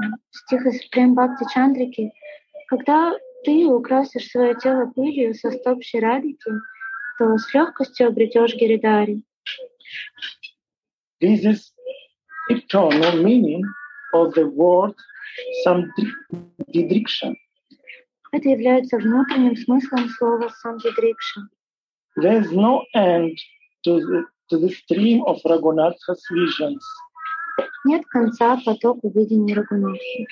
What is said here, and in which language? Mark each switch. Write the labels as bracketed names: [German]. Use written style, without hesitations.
[Russian] Стих из Прембхакти Чандрики. Когда ты украсишь свое тело пылью со стоп Шри Радхики, то с легкостью обретешь Giridhari. [English] This is eternal meaning of the word Sampidriksha. [Russian] Это является внутренним смыслом слова Sampidriksha. [English] There is no end to the stream of Raghunatha's visions. [Russian] Нет конца потоку видений Рагунатхи.